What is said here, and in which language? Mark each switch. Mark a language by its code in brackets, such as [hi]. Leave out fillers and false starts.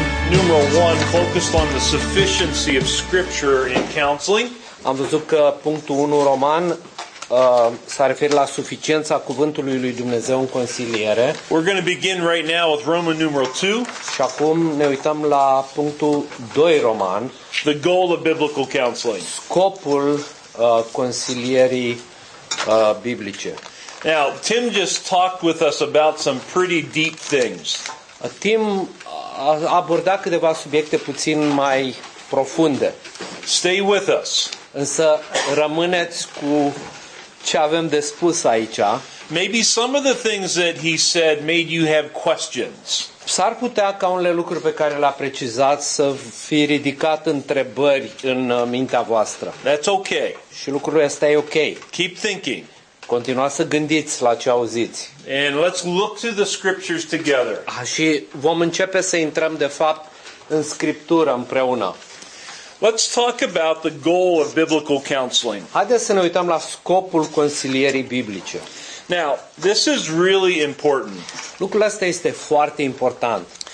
[en] numero 1 focused on the sufficiency of scripture in counseling. [ro] Am văzut că punctul 1 roman s-a referit la suficiența cuvântului lui Dumnezeu în consiliere. [en] We're going to begin right now with Roman numero 2. [ro] Și acum ne uităm la punctul 2 roman. [en] The goal of biblical counseling. [ro] Scopul consilierii biblice. [en] Now, Tim just talked with us about some pretty deep things. [ro] Tim a abordat câteva subiecte puțin mai profunde. [en] Stay with us. [ro] Însă rămâneți cu ce avem de spus aici. [en] Maybe some of the things that he said made you have questions. [ro] S-ar putea ca unele lucruri pe care le-a precizat să fie ridicat întrebări în mintea voastră. [en] That's okay. [ro] Și lucrul ăsta e ok. [en] Keep thinking. [ro] Continuați să gândiți la ce auziți. [en] And let's look to the scriptures together. [ro] Și vom începe să intrăm de fapt în scriptură împreună. [en] Let's talk about the goal of biblical counseling. [ro] Haideți să ne uităm la scopul consilierii biblice. [en] Now, this is really important. [ro] Lucrul ăsta este foarte important.